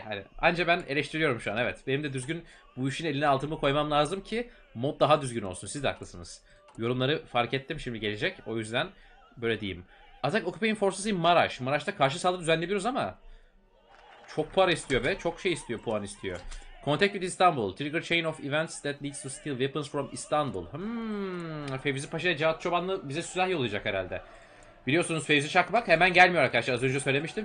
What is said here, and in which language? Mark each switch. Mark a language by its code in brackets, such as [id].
[tr] Hani anca ben eleştiriyorum şu an evet. Benim de düzgün bu işin eline altımı koymam lazım ki mod daha düzgün olsun. Siz de haklısınız. Yorumları fark ettim şimdi gelecek. O yüzden böyle diyeyim. [en] Attack Occupying Forces in Maraş. [tr] Maraş'ta karşı saldırı düzenleyebiliyoruz ama çok puan istiyor be. Çok şey istiyor, puan istiyor. [en] Contact with Istanbul. Trigger chain of events that leads to steal weapons from Istanbul. [tr] Fevzi Paşa ile Cihat Çobanlı bize silah yollayacak herhalde. Biliyorsunuz Fevzi Çakmak hemen gelmiyor arkadaşlar. Az önce söylemiştim.